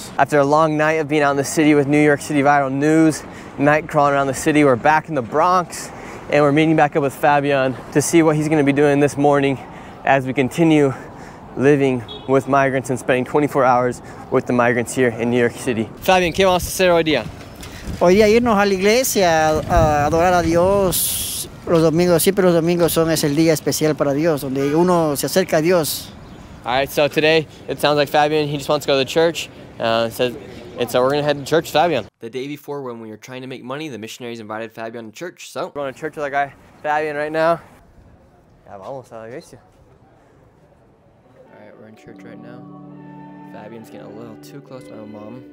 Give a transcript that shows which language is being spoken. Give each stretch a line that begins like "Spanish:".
English: After a long night of being out in the city with New York City Viral News, night crawling around the city, we're back in the Bronx and we're meeting back up with Fabian to see what he's gonna be doing this morning as we continue living with migrants and spending 24 hours with the migrants here in New York City.
Spanish: Fabian, ¿qué vamos a hacer hoy día? Hoy día irnos a la iglesia, a adorar a Dios. Los domingos, siempre los domingos son es el día especial para Dios, donde uno se acerca a Dios.
English: All right, so today it sounds like Fabian, he just wants to go to the church. So we're going to head to church, Fabian. The day before when we were trying to make money, the missionaries invited Fabian to church. So we're going to church with our guy, Fabian, right now.
Spanish: Ya vamos a la iglesia.
English: All right, we're in church right now. Fabian's getting a little too close to my mom.